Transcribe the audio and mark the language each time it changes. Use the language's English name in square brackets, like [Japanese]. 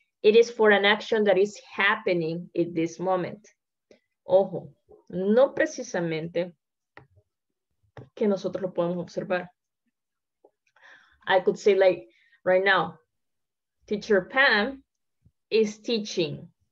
[English] It is for an action that is happening in this moment. [Spanish] Ojo, no precisamente que nosotros lo podemos observar. [English] I could say like right now, teacher Pam is teaching.